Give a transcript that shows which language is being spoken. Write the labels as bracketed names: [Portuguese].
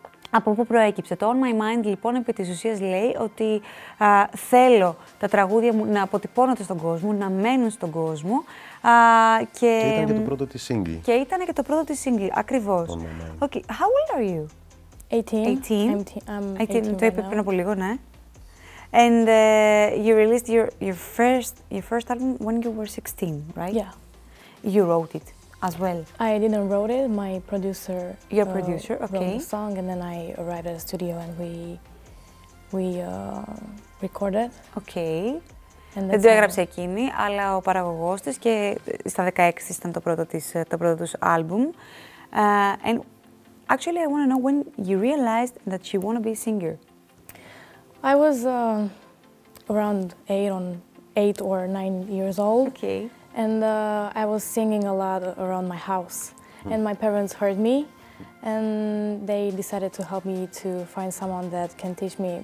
[Greek] Από πού προέκυψε. Το On My Mind, λοιπόν, επί της ουσίας λέει ότι θέλω τα τραγούδια μου να αποτυπώνονται στον κόσμο, να μένουν στον κόσμο. Και ήταν και το πρώτο της single. Και ήταν και το πρώτο της single, ακριβώς. [English] Okay. How old are you? 18. [Greek] 18. Το είπε πριν από λίγο, ναι. [English] And you released your first album when you were 16, right? Yeah. You wrote it as well. I didn't write it. My producer. Your producer, okay. Wrote the song, and then I arrived at the studio and we recorded. Okay. [Greek] Δεν το έγραψε εκείνη, αλλά ο παραγωγός της και στα 16 ήταν το πρώτο τους άλμπουμ. [English] And actually, I want to know when you realized that you want to be a singer. I was around 8 or 9 years old. Okay. And I was singing a lot around my house. And my parents heard me, and they decided to help me to find someone that can teach me.